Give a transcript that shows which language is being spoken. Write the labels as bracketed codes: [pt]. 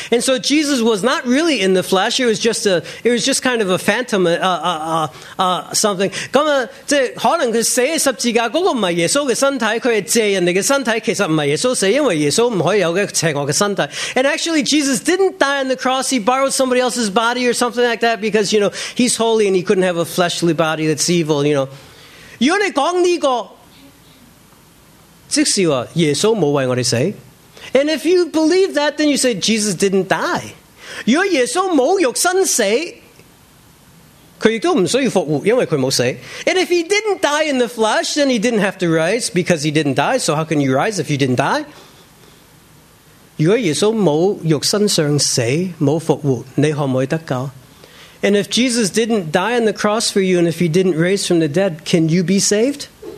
[en] And so Jesus was not really in the flesh, it was just kind of a phantom, something. [zh] 可能他死在十字架,那个不是耶稣的身体,他是借人家的身体,其实不是耶稣死,因为耶稣不可以有个邪恶的身体. [en] And actually Jesus didn't die on the cross, he borrowed somebody else's body or something like that because, you know, he's holy and he couldn't have a fleshly body that's evil, you know. [zh] 如果你说这个, 即使说耶稣没为我们死. [en] And if you believe that, then you say Jesus didn't die. [zh] 如果耶稣没肉身死, 他也都不需要复活, 因为他没死. [en] And if he didn't die in the flesh, then he didn't have to rise because he didn't die. So how can you rise if you didn't die? [zh] 如果耶稣没肉身上死,没复活, 你可不可以得救? [en] And if Jesus didn't die on the cross for you, and if he didn't raise from the dead, can you be saved?